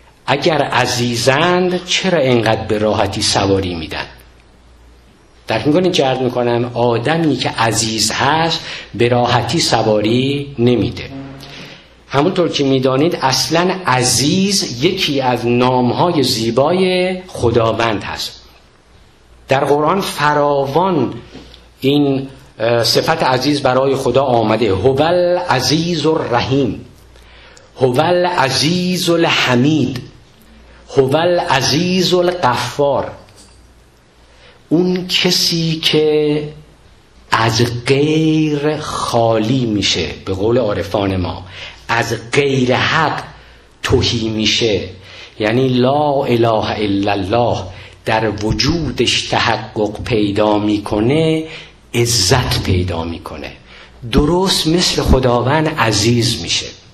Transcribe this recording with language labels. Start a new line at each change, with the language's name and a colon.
Persian: اگر عزیزند چرا اینقدر به راحتی سواری میدن؟ درک میکنید چه عرض میکنم؟ آدمی که عزیز هست به راحتی سواری نمیده. همونطور که میدانید اصلا عزیز یکی از نامهای زیبای خداوند هست. در قرآن فراوان این صفت عزیز برای خدا آمده.
Arabic: هو العزیز الرحیم، هو العزیز الحمید، هو العزیز الغفار.
Persian: اون کسی که از غیر خالی میشه، به قول عارفان ما از غیر حق تهی میشه، یعنی
Arabic: لا اله الا الله
Persian: در وجودش تحقق پیدا میکنه، عزت پیدا میکنه، درست مثل خداوند عزیز میشه.